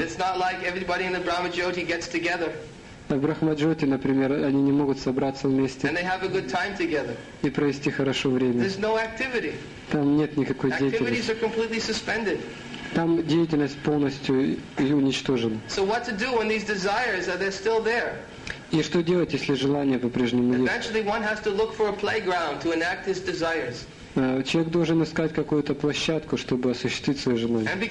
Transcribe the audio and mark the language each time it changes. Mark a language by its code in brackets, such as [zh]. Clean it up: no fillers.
[en] It's not like everybody in the Brahma-jyoti gets together. [ru] В Брахма-джоти, например, они не могут собраться вместе. [en] And they have a good time together. [ru] И провести хорошо время. [en] There's no activity. [ru] Там нет никакой деятельности. [en] Activities are completely suspended. [ru] Там деятельность полностью уничтожена. [en] So what to do when these desires are they still there? [ru] И что делать, если желание по-прежнему есть? [en] Eventually, one has to look for a playground to enact his desires. [ru] Человек должен искать какую-то площадку, чтобы осуществить свои желания.